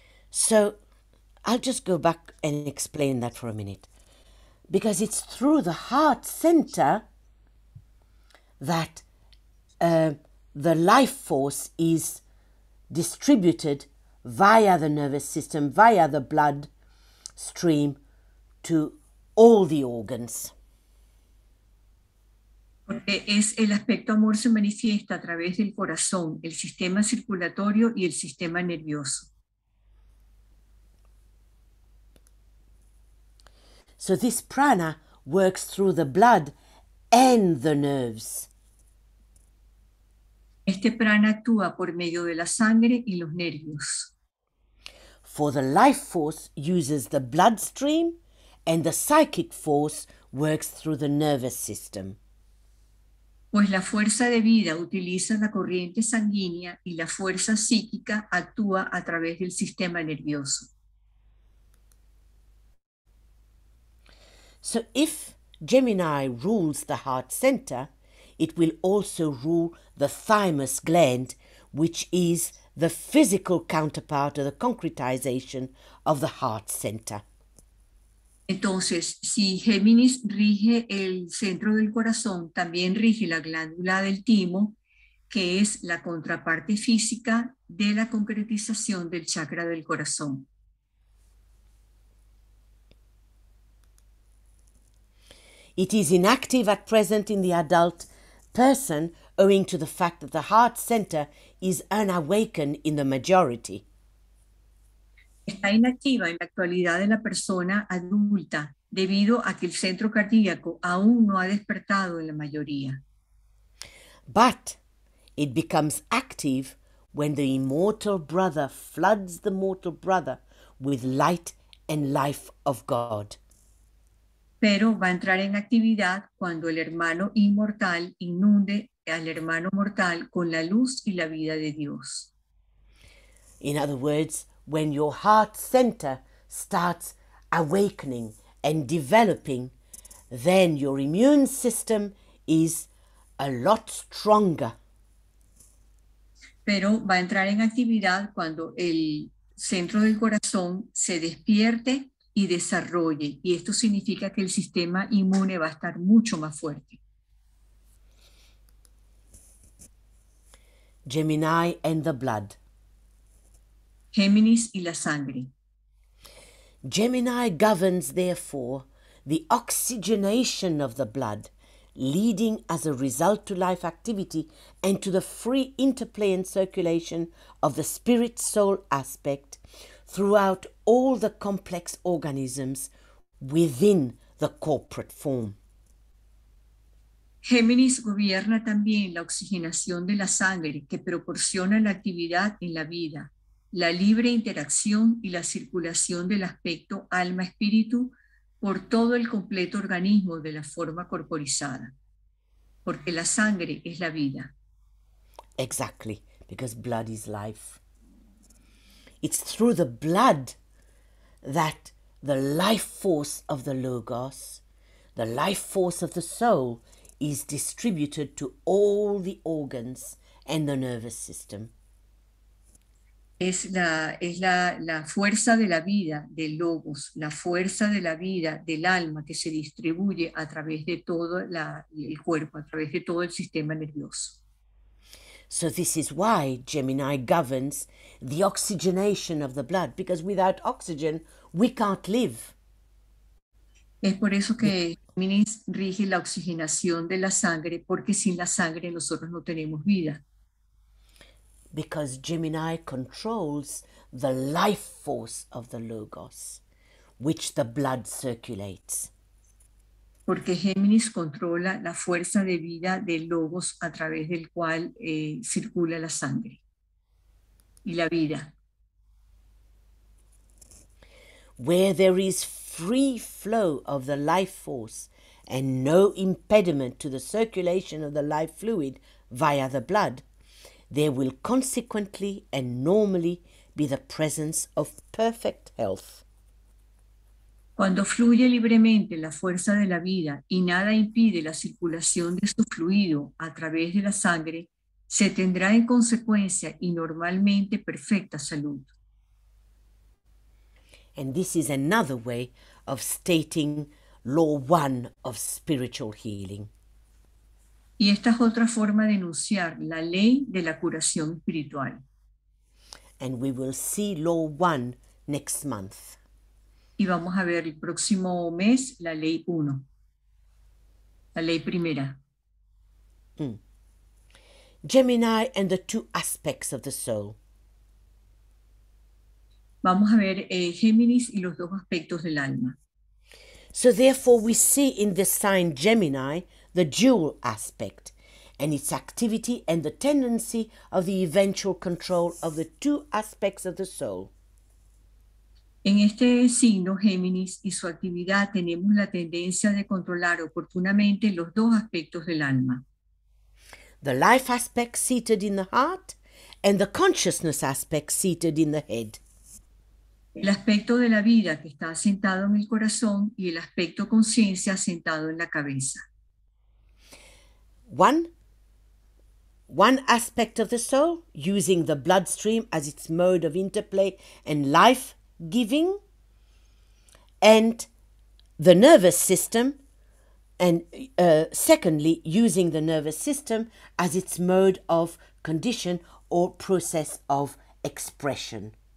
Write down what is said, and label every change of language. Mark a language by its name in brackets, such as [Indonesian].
[English] So, I'll just go back and explain that for a minute. Because it's through the heart center that the life force is distributed via the nervous system, via the blood stream to all the organs. [Spanish] Porque es el aspecto amor se manifiesta a través del corazón, el sistema circulatorio y el sistema nervioso. [English] So this prana works through the blood and the nerves. [Spanish] Este prana actúa por medio de la sangre y los nervios. [English] For the life force uses the bloodstream and the psychic force works through the nervous system. [Spanish] Pues la fuerza de vida utiliza la corriente sanguínea y la fuerza psíquica actúa a través del sistema nervioso. [English] So if Gemini rules the heart center, it will also rule the thymus gland, which is the physical counterpart of the concretization of the heart center. [Spanish] Entonces, si Géminis rige el centro del corazón, también rige la glándula del timo, que es la contraparte física de la concretización del chakra del corazón. [English] It is inactive at present in the adult person owing to the fact that the heart center is unawakened in the majority. [Spanish] Está inactiva en la actualidad de la persona adulta debido a que el centro cardíaco aún no ha despertado en la mayoría. [English] But it becomes active when the immortal brother floods the mortal brother with light and life of God. [Spanish] Pero va a entrar en actividad cuando el hermano inmortal inunde al hermano mortal con la luz y la vida de Dios. [English] In other words, when your heart center starts awakening and developing, then your immune system is a lot stronger. [Spanish] Pero va a entrar en actividad cuando el centro del corazón se despierte y desarrolle, y esto significa que el sistema inmune va a estar mucho más fuerte. [English] Gemini and the blood. [Spanish] Géminis y la sangre. [English] Gemini governs, therefore, the oxygenation of the blood, leading as a result to life activity and to the free interplay and circulation of the spirit-soul aspect throughout all the complex organisms within the corporate form. [Spanish] Géminis gobierna también la oxigenación de la sangre que proporciona la actividad en la vida, la libre interacción y la circulación del aspecto alma-espíritu por todo el completo organismo de la forma corporizada, porque la sangre es la vida. [English] Exactly, because blood is life. It's through the blood that the life force of the Logos, the life force of the soul, is distributed to all the organs and the nervous system. [Spanish] Es la fuerza de la vida del Logos, la fuerza de la vida del alma que se distribuye a través de todo el cuerpo, a través de todo el sistema nervioso. [English] So this is why Gemini governs the oxygenation of the blood, because without oxygen, we can't live. [Spanish] Es por eso que Gemini rige la oxigenación de la sangre, porque sin la sangre nosotros no tenemos vida. [English] Because Gemini controls the life force of the Logos, which the blood circulates. [Spanish] Porque Géminis controla la fuerza de vida del Logos a través del cual circula la sangre y la vida. [English] Where there is free flow of the life force and no impediment to the circulation of the life fluid via the blood, there will consequently and normally be the presence of perfect health. [Spanish] Cuando fluye libremente la fuerza de la vida y nada impide la circulación de su fluido a través de la sangre, se tendrá en consecuencia y normalmente perfecta salud. [English] And this is another way of stating law one of spiritual healing. [Spanish] Y esta es otra forma de enunciar la ley de la curación espiritual. [English] And we will see law one next month. [Spanish] Y vamos a ver el próximo mes la ley 1, la ley primera. [English] Gemini and the two aspects of the soul. [Spanish] Vamos a ver Géminis y los dos aspectos del alma. [English] So therefore we see in the sign Gemini the dual aspect and its activity and the tendency of the eventual control of the two aspects of the soul. [Spanish] En este signo Géminis y su actividad tenemos la tendencia de controlar oportunamente los dos aspectos del alma. [English] The life aspect seated in the heart and the consciousness aspect seated in the head. [Spanish] El aspecto de la vida que está asentado en el corazón y el aspecto conciencia asentado en la cabeza. [English] One aspect of the soul using the bloodstream as its mode of interplay and life giving, and the nervous system, and secondly, using the nervous system as its mode of condition or process of expression.